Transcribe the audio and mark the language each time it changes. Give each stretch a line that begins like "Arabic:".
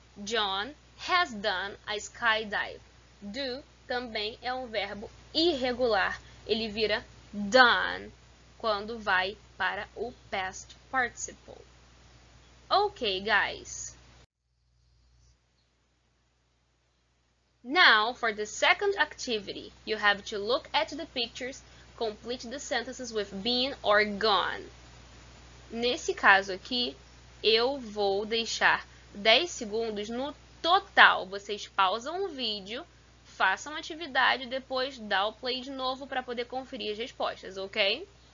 English: John has done a skydive.
Portuguese: Do também é um verbo irregular. Ele vira done quando vai para o past participle.
English: Okay, guys. Now, for the second activity, you have to look at the pictures, complete the sentences with been or gone.
Portuguese: Nesse caso aqui, eu vou deixar 10 segundos no total. Vocês pausam o vídeo, façam a atividade e depois dá o play de novo para poder conferir as respostas, ok?